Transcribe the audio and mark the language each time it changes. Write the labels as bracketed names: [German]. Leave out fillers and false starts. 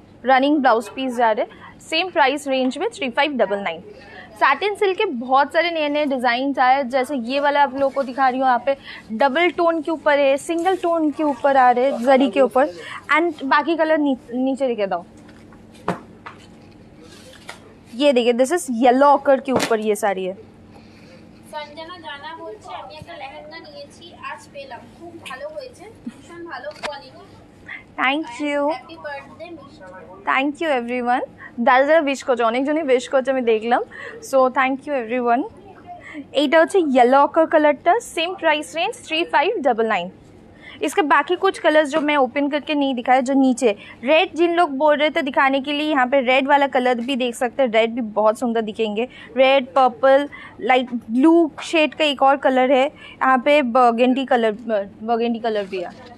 [Hindi] Running blouse piece जा रहे same price range में 3599 सैटिन सिल्क के बहुत सारे नए नए डिज़ाइन आए जैसे ये वाला आप लोगों को दिखा रही हूँ यहाँ पे डबल टोन के ऊपर है सिंगल टोन के ऊपर आ रहे जरी के ऊपर एंड बाकी कलर नीचे लिखे दो ये देखिए [English] this is [Hindi] येलो ऑकर के ऊपर ये साड़ी है [Bangla] संजना जाना बोलछे আমি একটা লেহেঙ্গা নিয়েছি আজ পেলাম খুব ভালো হয়েছে ভীষণ ভালো quality [English] thank you happy birthday Misha thank you everyone [Bangla] দাদা উইশ করছে অনেকজনই উইশ করছে আমি দেখলাম [English] so thank you everyone [Bangla] এইটা হচ্ছে ইয়েলো অকার কালারটা, সেম প্রাইস রেঞ্জ 3599। [Hindi] इसके बाकी कुछ कलर्स जो मैं ओपन करके नहीं दिखाया, जो नीचे रेड जिन लोग बोल रहे थे दिखाने के लिए, यहाँ पे रेड वाला कलर भी देख सकते हैं, रेड भी बहुत सुंदर दिखेंगे। Red, purple, light blue shade का एक और कलर है, यहाँ पे बर्गेंडी कलर भी है।